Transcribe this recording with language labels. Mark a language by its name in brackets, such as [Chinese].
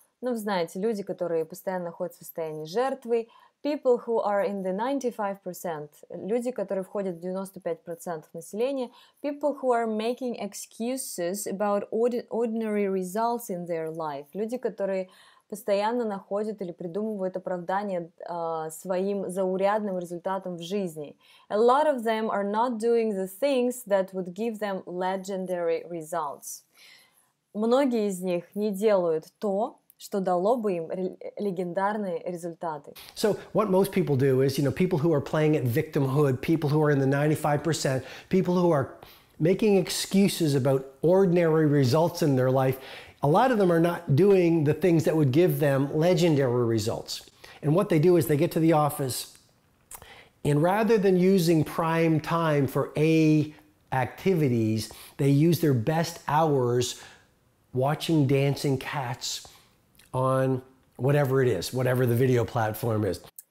[Russian] ну, знаете, люди, которые постоянно находятся в состоянии жертвы, [English] people who are in the 95%, [Russian] люди, которые входят в 95% населения, [English] people who are making excuses about ordinary results in their life, [Russian] люди, которые постоянно находят или придумывают оправдание своим заурядным результатом в жизни. [English] A lot of them are not doing the things that would give them legendary results. [Russian] Многие из них не делают то, что дало бы им легендарные результаты. [English] So what most people do is, you know, people who are playing at victimhood, people who are in the 95%, people who are making excuses about ordinary results in their life, a lot of them are not doing the things that would give them legendary results. And what they do is they get to the office, and rather than using prime time for A activities, they use their best hours watching dancing cats on whatever it is, whatever the video platform is.